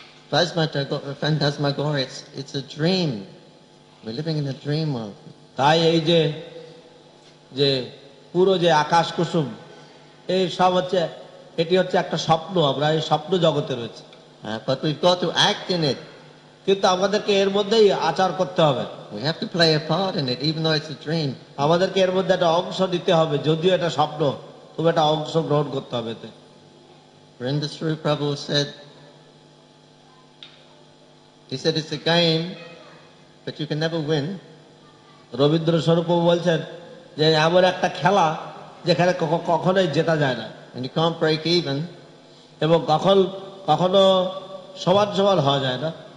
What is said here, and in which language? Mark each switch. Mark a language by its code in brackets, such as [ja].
[en] phantasmagoria, it's a dream. We're living in a dream world. [bn] তাই এই যে যে পুরো যে আকাশ কুসুম এই সব হচ্ছে এটি হচ্ছে একটা স্বপ্ন আমরা এই স্বপ্ন জগতে রয়েছে [en] but we've got to act in it [bn] কিন্তু আমাদেরকে এর মধ্যেই আচার করতে হবে [en] we have to play a part in it even though it's a dream [bn] আমাদেরকে এর মধ্যে একটা অংশ দিতে হবে যদিও এটা স্বপ্ন তবে একটা অংশ গ্রহণ করতে হবে তে [en] Rindasri Prabhu said it's a game but you can never win [bn] Rabindra স্বরূপ বলছেন যে এমন একটা খেলা যেখানে কখনোই জেতা যায় না [en] and you can't break even [bn] এবং কখন কখনো সমান সমান হওয়া যায় না